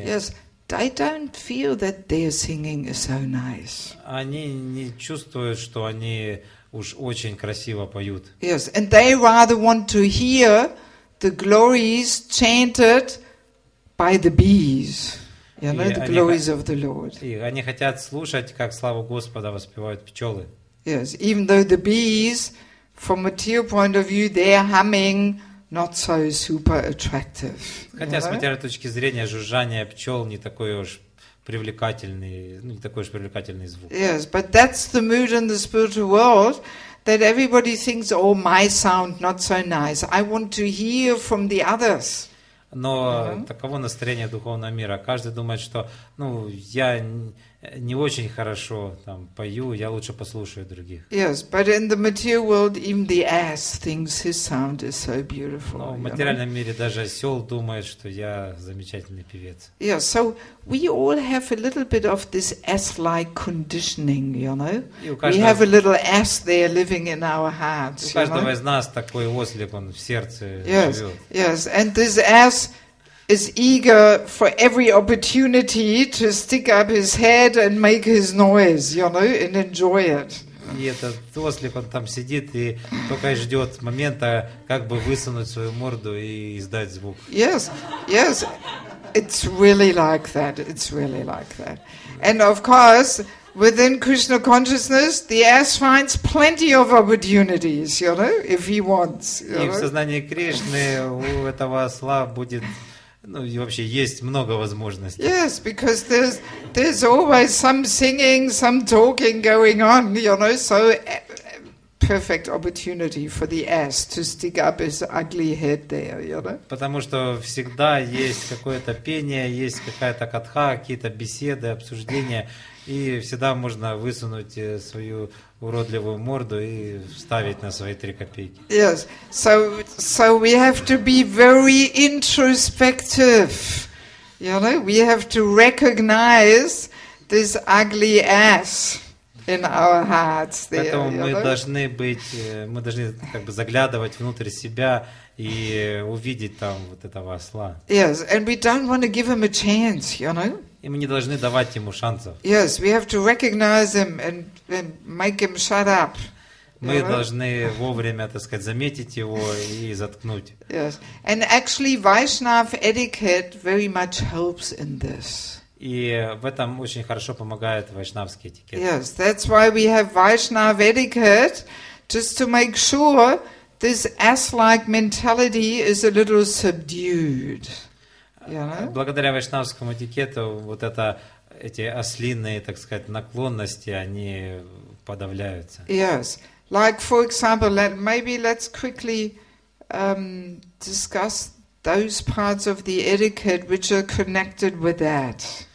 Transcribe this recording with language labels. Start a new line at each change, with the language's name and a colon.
English: Yes, they don't feel that their singing is so nice.
Russian: Они не чувствуют, что они уж очень красиво поют.
English: Yes, and they rather want to hear the glories chanted by the bees, you know, the glories of the Lord.
Russian: И они хотят слушать, как славу Господа воспевают пчелы.
English: Yes, even though the bees, from a material point of view, they're humming, not so super attractive.
Russian: Хотя с материальной точки зрения жужжание пчел не такой уж привлекательный, не такой уж привлекательный звук.
English: Yes, but that's the mood in the spiritual world. That everybody thinks, oh, my sound not so nice. I want to hear from the others.
Russian: Но таково настроение духовного мира. Каждый думает, что, ну, я не очень хорошо там пою, я лучше послушаю других.
English: Yes, but in the material world, even the ass thinks his sound is so beautiful.
Russian: Но в материальном мире даже осел думает, что я замечательный певец.
English: Yes, so we all have a little bit of this ass-like conditioning, you know. We have a little ass there living in our hearts.
Russian: У каждого из нас такой ослик, он в сердце живет.
English: Yes, yes, and this ass is eager for every opportunity to stick up his head and make his noise, you know, and enjoy it.
Russian: И этот ослик, он там сидит и только ждет момента, как бы высунуть свою морду и издать звук.
English: Yes, yes, it's really like that, it's really like that. And of course, within Krishna consciousness, the ass finds plenty of opportunities, you know, if he wants.
Russian: И в сознании Кришны у этого осла будет Ну, и вообще есть много возможностей.
English: Yes, because there's always some singing, some talking going on, you know, so perfect opportunity for the ass to stick up his ugly head there, you know?
Russian: Потому что всегда есть какое-то пение, есть какая-то катха, какие-то беседы, обсуждения, и всегда можно высунуть свою уродливую морду и вставить на свои 3 копейки.
English: Yes, so we have to be very introspective, you know? We have to recognize this ugly ass. In our hearts, there.
Russian: Поэтому мы должны быть, мы должны как бы заглядывать внутрь себя и увидеть там вот этого осла.
English: Yes, and we don't want to give him a chance, you know.
Russian: И мы не должны давать ему шансов.
English: Yes, we have to recognize him and make him shut up.
Russian: Мы должны вовремя, так сказать, заметить его и заткнуть.
English: Yes, and actually, Vaishnav etiquette very much helps in this.
Russian: И в этом очень хорошо помогает вайшнавский этикет.
English: Yes, that's why we have Vaishnav etiquette, just to make sure this ass-like mentality is a little subdued. Yeah.
Russian: Благодаря вайшнавскому этикету вот это эти ослиные, так сказать, наклонности, они подавляются.
English: Yes, like for example, let's quickly discuss those parts of the etiquette which are connected with that.